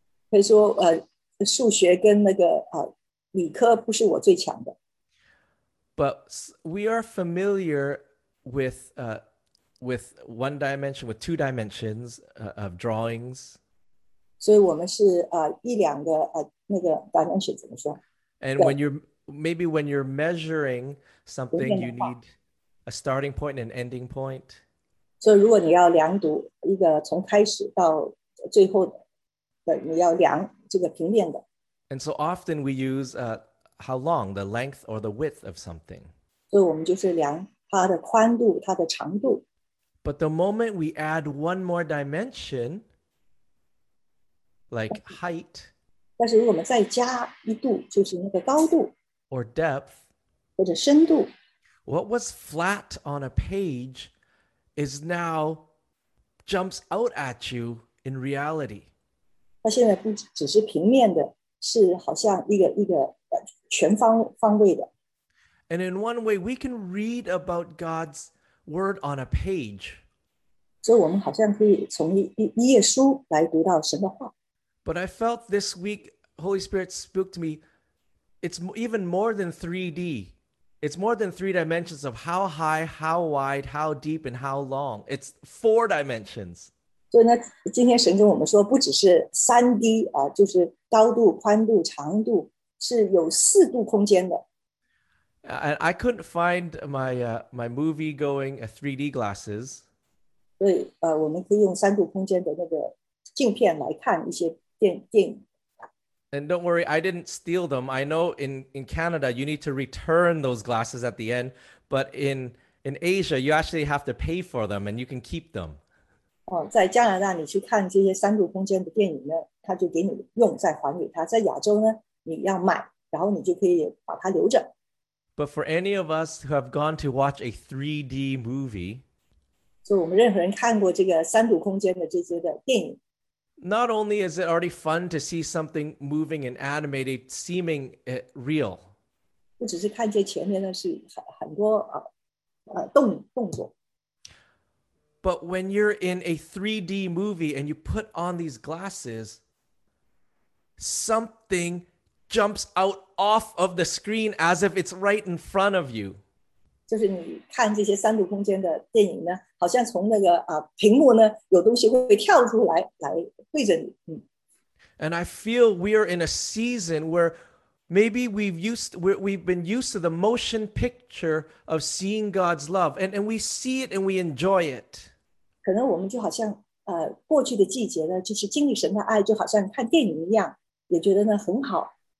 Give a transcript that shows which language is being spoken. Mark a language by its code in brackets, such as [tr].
[zh] 可以说，数学跟那个理科不是我最强的。 [en] But we are familiar with one dimension, with two dimensions of drawings. [zh] 所以我们是一两个那个 dimension 怎么说? [en] And when you're measuring something, you need a starting point and an ending point. [zh] 所以如果你要量度一个从开始到最后的，你要量这个平面的。 [en] And so often we use how long, the length or the width of something. [zh] 所以我们就是量它的宽度，它的长度。 [en] But the moment we add one more dimension, like height, [zh] 但是如果我们再加一度，就是那个高度。 [en] Or depth, [zh] 或者深度。 [en] What was flat on a page is now jumps out at you in reality. [zh] 它现在不只是平面的，是好像一个全方位的。 [en] And in one way, we can read about God's word on a page. [zh] 所以我们好像可以从一页书来读到神的话。 [en] But I felt this week, Holy Spirit spoke to me, it's even more than 3D. It's more than three dimensions of how high, how wide, how deep, and how long. It's four dimensions. [zh] 所以呢，今天神跟我们说，不只是3D, 就是高度、宽度、长度，是有四度空间的。 [en] I couldn't find my movie going 3D glasses. [zh] 对，我们可以用三度空间的那个镜片来看一些电影。 [en] And don't worry, I didn't steal them. I know in Canada, you need to return those glasses at the end. But in Asia, you actually have to pay for them and you can keep them. [zh] 在加拿大你去看这些三度空间的电影呢，他就给你用，再还给他。在亚洲呢，你要买，然后你就可以把它留着。 [en] But for any of us who have gone to watch a 3D movie, [zh] 所以我们任何人看过这个三度空间的这些的电影, [en] not only is it already fun to see something moving and animated seeming real, [zh] 不只是看见前面的是很多动作, [en] but when you're in a 3D movie and you put on these glasses, something jumps out off of the screen as if it's right in front of you. [zh] 就是你看这些三度空间的电影呢，好像从那个屏幕呢，有东西会跳出来，来对着你。 [en] And I feel we are in a season where maybe we've been used to the motion picture of seeing God's love, and we see it and we enjoy it. [zh] 可能我们就好像过去的季节呢，就是经历神的爱，就好像看电影一样，也觉得呢很好。